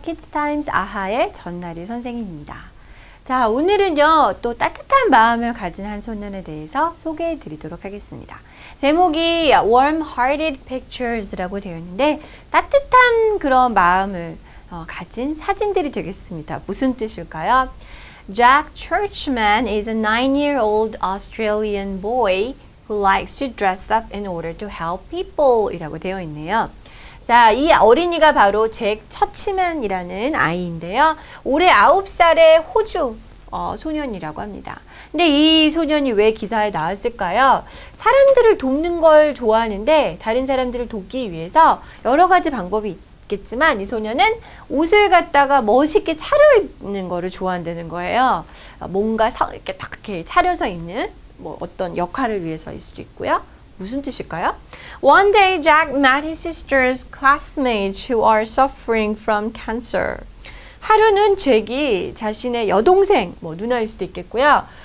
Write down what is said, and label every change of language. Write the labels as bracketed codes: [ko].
[ko] Kids Times 아하의 전나리 선생님입니다. 자, 오늘은요, 또 따뜻한 마음을 가진 한 소년에 대해서 소개해 드리도록 하겠습니다. 제목이 Warm-Hearted Pictures라고 되어 있는데, 따뜻한 그런 마음을 가진 사진들이 되겠습니다. 무슨 뜻일까요? [en] Jack Churchman is a 9-year-old Australian boy who likes to dress up in order to help people [ko] 이라고 되어 있네요. 자, 이 어린이가 바로 잭 처치만이라는 아이인데요. 올해 9살의 호주 소년이라고 합니다. 근데 이 소년이 왜 기사에 나왔을까요? 사람들을 돕는 걸 좋아하는데 다른 사람들을 돕기 위해서 여러 가지 방법이 있겠지만 이 소년은 옷을 갖다가 멋있게 차려입는 거를 좋아한다는 거예요. 뭔가 이렇게 딱 이렇게 차려서 입는 뭐 어떤 역할을 위해서일 수도 있고요. 무슨 뜻일까요? [en] One day Jack met his sister's classmates who are suffering from cancer. [ko] 하루는 잭이 자신의 여동생, 뭐 누나일 수도 있겠고요.